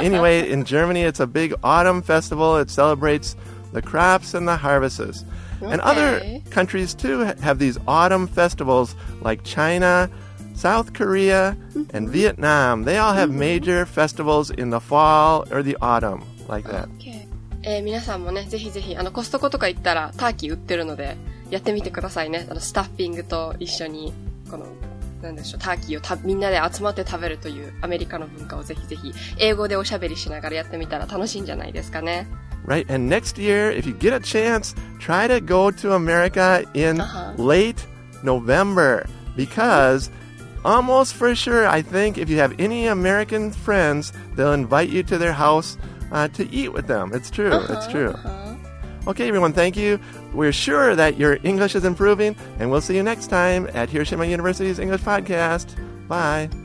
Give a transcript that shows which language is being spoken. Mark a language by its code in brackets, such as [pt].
[en] Anyway, in Germany, it's a big autumn festival. It celebrates the crops and the harvests. Okay. And other countries, too, have these autumn festivals like China, South Korea, and Vietnam. They all have major festivals in the fall or the autumn, like that. Okay. [ja] 皆さんもね、ぜひぜひ、コストコとか行ったらターキー売ってるので、やってみてくださいね。スタッフィングと一緒に、この、なんでしょう、ターキーをみんなで集まって食べるというアメリカの文化をぜひぜひ、英語でおしゃべりしながらやってみたら楽しいんじゃないですかね。 [en] Right, and next year, if you get a chance, try to go to America in late November, because almost for sure, I think, if you have any American friends, they'll invite you to their house to eat with them. It's true, Okay, everyone, thank you. We're sure that your English is improving, and we'll see you next time at Hiroshima University's English Podcast. Bye.